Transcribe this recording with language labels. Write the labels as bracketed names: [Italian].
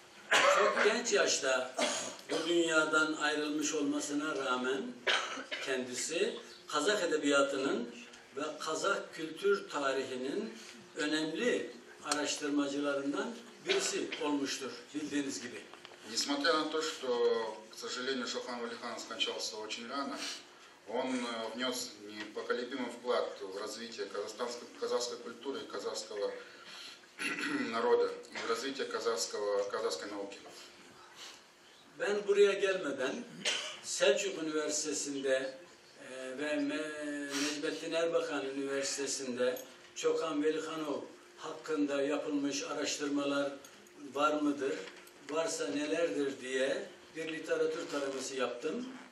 [Turkish] Çok genç yaşta bu dünyadan ayrılmış olmasına rağmen kendisi Kazak edebiyatının ve Kazak kültür tarihinin önemli araştırmacılarından birisi olmuştur bildiğiniz gibi. [Russian] Несмотря на то, что, к сожалению, Шохан Валиханов скончался очень рано, он внес непоколебимый вклад в развитие казахской культуры, казахского народа и в развитие казахской науки. [Turkish] Ben buraya gelmeden Selçuk Üniversitesi'nde ve Necmettin Erbakan Üniversitesi'nde Çokan Velikanov hakkında yapılmış araştırmalar var mıdır? Varsa nelerdir diye bir literatür taraması yaptım.